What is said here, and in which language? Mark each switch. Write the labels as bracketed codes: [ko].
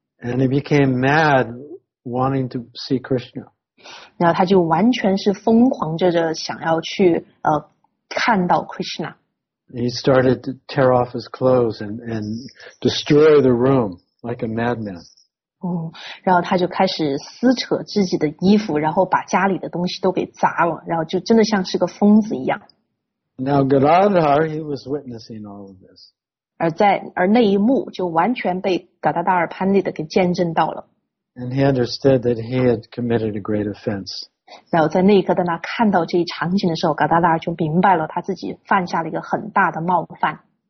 [en] And he became mad, wanting to see Krishna. [zh] 然后他就完全是疯狂着想要去看到 Krishna. [en] He started to tear off his clothes and destroy the room like a madman. [zh] 然后他就开始撕扯自己的衣服，然后把家里的东西都给砸了，然后就真的像是个疯子一样。 [en] Now Gadadhar, he was witnessing all of this. [zh] 而那一幕就完全被嘎达达尔潘利的给见证到了。 [en] And he understood that he had committed a great offense. [zh] 然后在那一刻，当他看到这一场景的时候，嘎达达尔就明白了他自己犯下了一个很大的冒犯。